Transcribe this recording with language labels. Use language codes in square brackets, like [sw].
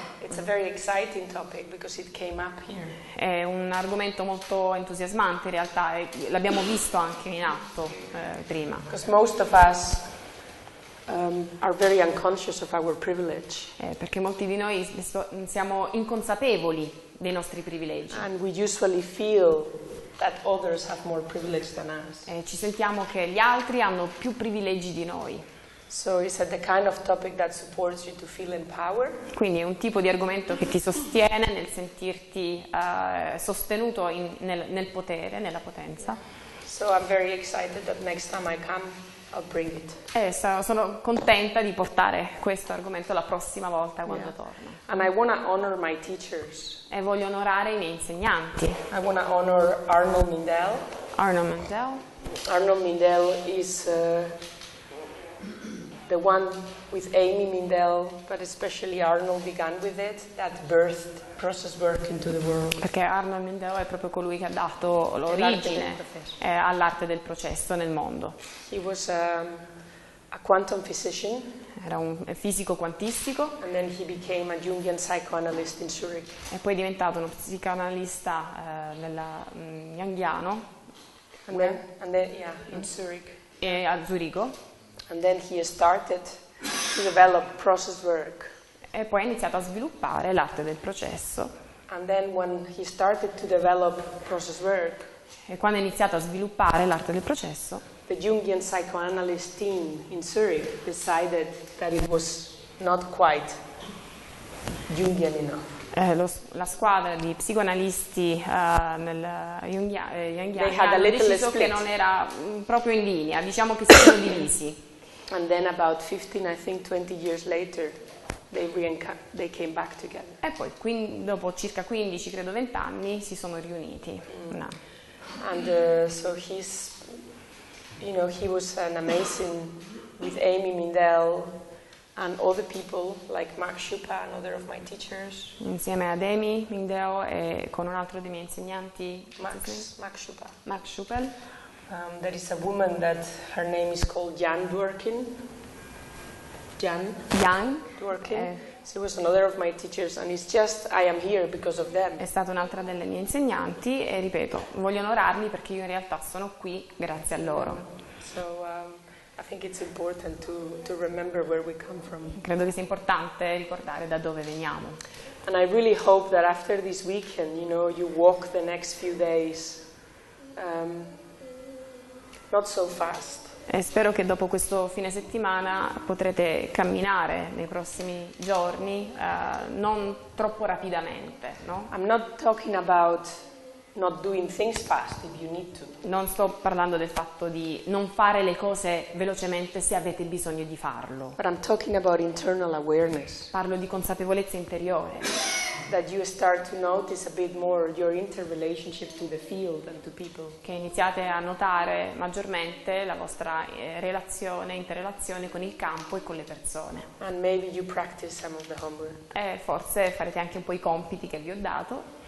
[en] It's a very exciting topic because it came up here. [it] È un argomento molto entusiasmante in realtà, e l'abbiamo visto anche in atto prima. [en] Because most of us are very unconscious of our privilege. [it] Perché molti di noi siamo inconsapevoli dei nostri privilegi. [en] And we usually feel that others have more privilege than us. [it] Ci sentiamo che gli altri hanno più privilegi di noi. [en] So is it the kind of topic that supports you to feel empowered? [it] Quindi è un tipo di argomento che ti sostiene nel sentirti sostenuto nel potere, nella potenza. [en] So I'm very excited that next time I come I'll bring it. [it] Sono contenta di portare questo argomento la prossima volta quando torno. [en] And I want to honor my teachers. [it] E voglio onorare i miei insegnanti. [en] I want to honor Arnold Mindell. Arnold Mindell. Arnold Mindell is the one with Amy Mindell, but especially Arnold began with it, that birthed process work into the world. [it] Perché Arnold Mindell è proprio colui che ha dato l'origine all'arte del processo nel mondo. [en] He was a quantum physician. [it] Era un fisico quantistico. [en] And then he became a Jungian psychoanalyst in Zurich. [it] E poi è diventato uno psicoanalista junghiano. [en] In Zurich. [it] E a Zurigo. [en] And then he started to develop process work. [it] E poi ha iniziato a sviluppare l'arte del processo. [en] And then when he started to develop process work, [it] e quando ha iniziato a sviluppare l'arte del processo, [en] the Jungian psychoanalyst team in Zurich decided that it was not quite Jungian enough. [it] La squadra di psicoanalisti junghiani hanno deciso che non era proprio in linea, diciamo che si sono divisi. [en] And then about 15, I think 20 years later, they came back together. [it] E poi, dopo circa 15, credo 20 anni, si sono riuniti. [en] No. And so he's, you know, he was an amazing with Amy Mindell and other people like Max Schuppa, another of my teachers. [it] Insieme ad Amy Mindell e con un altro dei miei insegnanti, Max Schuppa. Max Schuppel. [en] There is a woman that her name is called Jan Dworkin. Jan Dworkin. She was another of my teachers, and it's just I am here because of them. [it] È stata un'altra delle mie insegnanti e ripeto, voglio onorarli perché io in realtà sono qui grazie a loro. [en] So I think it's important to remember where we come from. [it] Credo che sia importante ricordare da dove veniamo. [en] And I really hope that after this weekend, you know, you walk the next few days. Not so fast. [it] E spero che dopo questo fine settimana potrete camminare nei prossimi giorni non troppo rapidamente, no? [en] I'm not talking about not doing things fast if you need to. [it] Non sto parlando del fatto di non fare le cose velocemente se avete bisogno di farlo. [en] But I'm talking about internal awareness. [it] Parlo di consapevolezza interiore. [en] That you start to notice a bit more your interrelationship to the field and to people. [it] Che iniziate a notare maggiormente la vostra relazione, interrelazione con il campo e con le persone. [en] And maybe you practice some of the homework. [it] E forse farete anche un po' i compiti che vi ho dato.